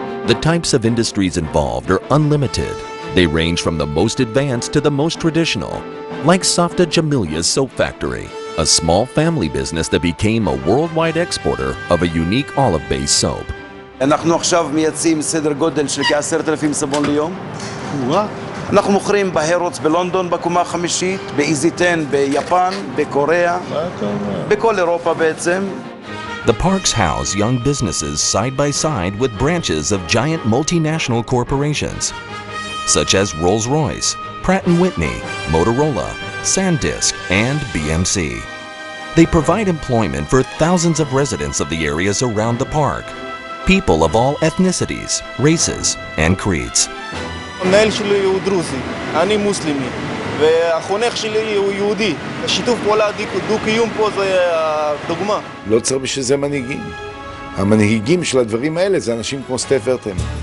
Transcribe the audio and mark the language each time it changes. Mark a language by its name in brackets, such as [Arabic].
[English] The types of industries involved are unlimited. They range from the most advanced to the most traditional, like Safta Jamilia's soap factory, a small family business that became a worldwide exporter of a unique olive-based soap. [Hebrew] אנחנו עכשיו מייצאים סדר גודל של כ-10,000 סבון ליום. אנחנו מוכרים בהרוץ בלונדון בקומה החמישית, באיזיטן ביפן, בקוריאה, בכל אירופה בעצם. [English] The parks house young businesses side by side with branches of giant multinational corporations, such as Rolls-Royce, Pratt & Whitney, Motorola, SanDisk, and BMC. They provide employment for thousands of residents of the areas around the park, people of all ethnicities, races, and creeds. [Hebrew] המנהל שלי הוא דרוזי, אני מוסלמי, והחונך שלי הוא יהודי. שיתוף פעולה דו-קיום פה זה הדוגמה. לא צריך בשביל זה מנהיגים. המנהיגים של הדברים האלה זה אנשים כמו סטף ורטהיימר.